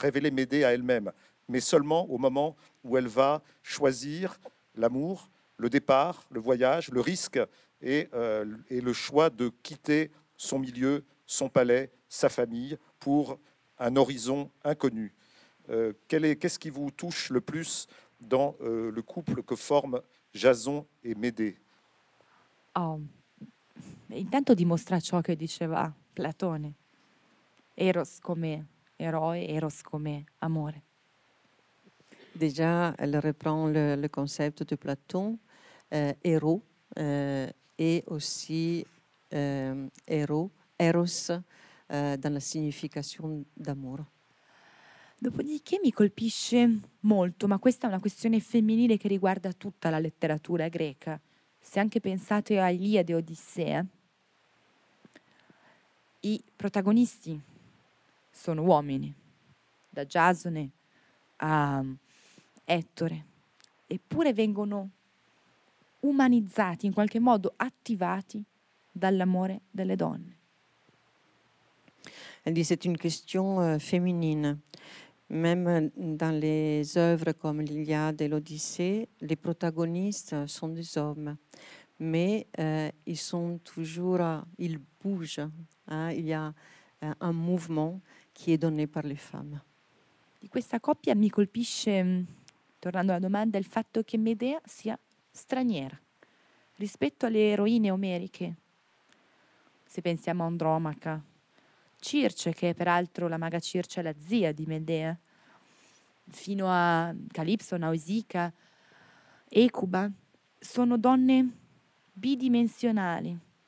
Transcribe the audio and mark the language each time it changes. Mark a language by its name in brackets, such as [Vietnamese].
[French] Médée à elle-même, mais seulement au moment où elle va choisir l'amour, le départ, le voyage, le risque, et le choix de quitter son milieu, son palais, sa famille, pour un horizon inconnu. Qu'est-ce qui vous touche le plus dans le couple que forment Jason et Médée? [Italian] Intanto dimostra ciò che diceva Platone. Eros come eroe, eros come amore. [French] Déjà, elle reprend le concept de Platon, héros, et aussi héros, eros, dans la signification d'amour. [Italian] Dopodiché mi colpisce molto, ma questa è una questione femminile che riguarda tutta la letteratura greca. Se anche pensate a Iliade e Odissea, i protagonisti sono uomini, da Giasone a Ettore, eppure vengono umanizzati, in qualche modo attivati dall'amore delle donne. [French] Elle dit, c'est une question féminine. Même dans les œuvres comme l'Iliade et l'Odyssée, les protagonistes sont des hommes, mais ils sont toujours, ils bougent. Hein, il y a un mouvement qui est donné par les femmes. [Italian] Di questa coppia mi colpisce, tornando alla domanda, il fatto che Medea sia straniera rispetto alle eroine omeriche. Se pensiamo a Andromaca, Circe, che è peraltro la maga Circe, la zia di Medea, fino a Calipso, Nausica, Ecuba, sono donne bidimensionali,